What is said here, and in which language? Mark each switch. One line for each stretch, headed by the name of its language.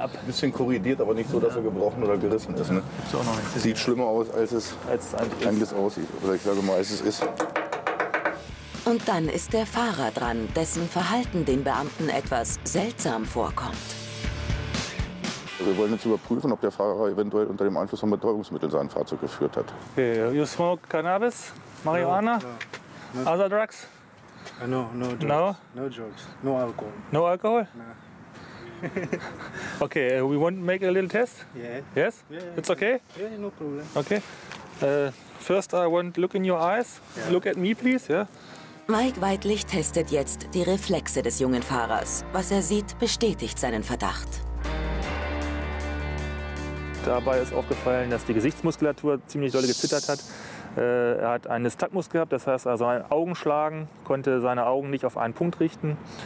German: Ein bisschen korrigiert, aber nicht so, dass er gebrochen oder gerissen ist. Ne? Sieht schlimmer aus, als es eigentlich aussieht. Oder ich sage mal, als es ist. Und dann ist der Fahrer dran, dessen Verhalten den Beamten etwas seltsam vorkommt. Wir wollen jetzt überprüfen, ob der Fahrer eventuell unter dem Einfluss von Betäubungsmitteln sein Fahrzeug geführt hat.
English: Okay, you smoke cannabis, marijuana, no. Other drugs? No drugs. No alcohol. No alcohol? No. Okay, we want to make a little test? Yeah. Yes? Yeah, it's okay? Yeah, no problem. Okay. First I want to look in your eyes. Yeah. Look at me, please. Yeah.
German: Mike Weidlich testet jetzt die Reflexe des jungen Fahrers. Was er sieht, bestätigt seinen Verdacht. Dabei ist aufgefallen, dass die Gesichtsmuskulatur ziemlich doll gezittert hat. Er hat einen Nystagmus gehabt, das heißt also ein Augenschlagen, konnte seine Augen nicht auf einen Punkt richten.